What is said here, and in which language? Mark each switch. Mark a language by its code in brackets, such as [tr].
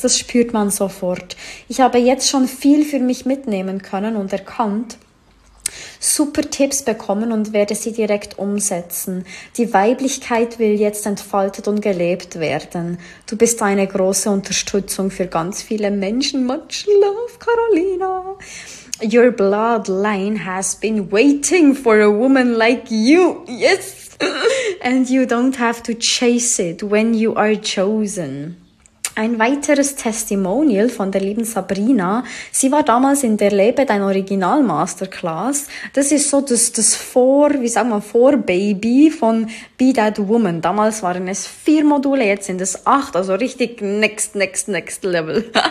[de] Das spürt man sofort. Ich habe jetzt schon viel für mich mitnehmen können und erkannt, super Tipps bekommen und werde sie direkt umsetzen. Die Weiblichkeit will jetzt entfaltet und gelebt werden. Du bist eine große Unterstützung für ganz viele Menschen. [en] Much love, Carolina. Your bloodline has been waiting for a woman like you. Yes! And you don't have to chase it when you are chosen. [de] Ein weiteres Testimonial von der lieben Sabrina. Sie war damals in der Lebe dein Original Masterclass. Das ist so das Vor, wie sagen wir, Vor-Baby von Be That Woman. Damals waren es 4 Module, jetzt sind es 8. Also richtig next level.